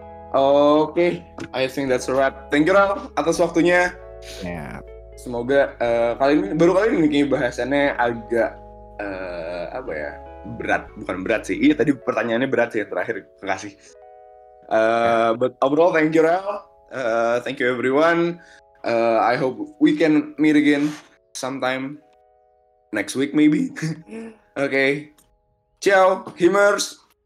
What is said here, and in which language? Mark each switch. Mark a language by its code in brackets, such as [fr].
[en] Oke, okay. I think that's a wrap. Thank you Rao [id] atas waktunya. [en] Yeah. [id] Semoga kali ini kayak bahasannya agak apa ya? Berat, bukan berat sih. Iya tadi pertanyaannya berat sih terakhir. Makasih. [en] But overall, thank you, Rael. Thank you, everyone. I hope we can meet again sometime next week, maybe. Okay. Ciao, Himers.